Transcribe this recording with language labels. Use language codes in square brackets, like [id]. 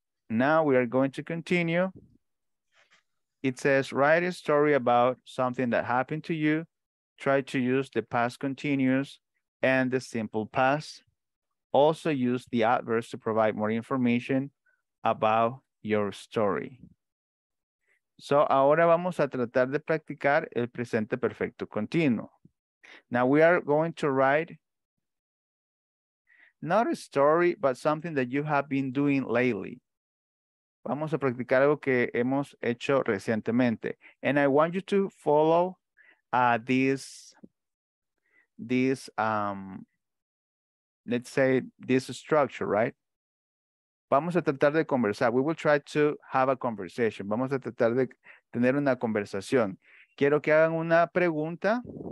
[en] Now we are going to continue. It says, write a story about something that happened to you. Try to use the past continuous and the simple past. Also use the adverbs to provide more information about your story. [es] So, ahora vamos a tratar de practicar el presente perfecto continuo. [en] Now, we are going to write not a story, but something that you have been doing lately. [es] Vamos a practicar algo que hemos hecho recientemente. [en] And I want you to follow this structure, right? [es] Vamos a tratar de conversar. [en] We will try to have a conversation. [es] Vamos a tratar de tener una conversación. Quiero que hagan una pregunta.